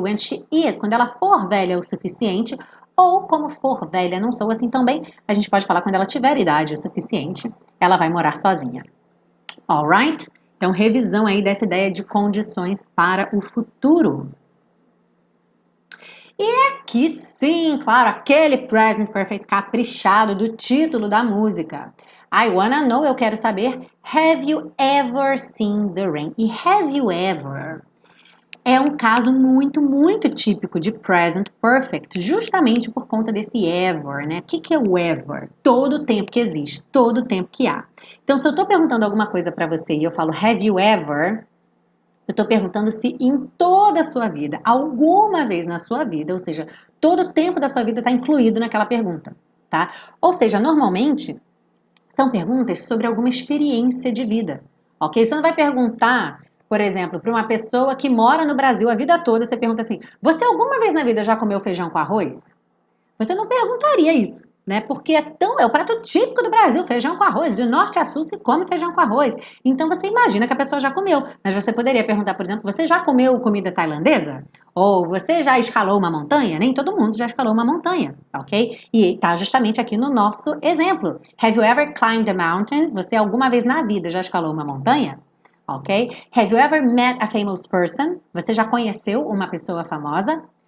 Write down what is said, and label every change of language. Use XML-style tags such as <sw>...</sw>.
<en>When she is,</en> <pt>quando ela for velha o suficiente, ou como for velha, não soa assim tão bem, a gente pode falar quando ela tiver idade o suficiente, ela vai morar sozinha.</pt> <en>Alright?</en> <pt>Então, revisão aí dessa ideia de condições para o futuro. Aqui sim, claro, aquele present perfect caprichado do título da música.</pt> <en>I wanna know,</en> <pt>eu quero saber.</pt> <en>Have you ever seen the rain?</en> <pt>E</pt> <en>have you ever?</en> <pt>É um caso muito, muito típico de present perfect, justamente por conta desse ever, né? O que é o ever? Todo tempo que existe, todo tempo que há. Então, se eu tô perguntando alguma coisa para você e eu falo,</pt> <en>have you ever?</en> <pt>Eu estou perguntando se em toda a sua vida, alguma vez na sua vida, ou seja, todo o tempo da sua vida está incluído naquela pergunta, tá? Ou seja, normalmente são perguntas sobre alguma experiência de vida, ok? Você não vai perguntar, por exemplo, para uma pessoa que mora no Brasil a vida toda, você pergunta assim: você alguma vez na vida já comeu feijão com arroz? Você não perguntaria isso. Né? Porque é o prato típico do Brasil, feijão com arroz. De norte a sul se come feijão com arroz. Então você imagina que a pessoa já comeu. Mas você poderia perguntar, por exemplo, você já comeu comida tailandesa? Ou você já escalou uma montanha? Nem todo mundo já escalou uma montanha, ok? E está justamente aqui no nosso exemplo.</pt> <en>Have you ever climbed a mountain?</en> <pt>Você alguma vez na vida já escalou uma montanha? Ok?</pt> <en>Have you ever met a famous person?</en> <pt>Você já conheceu uma pessoa famosa?</pt>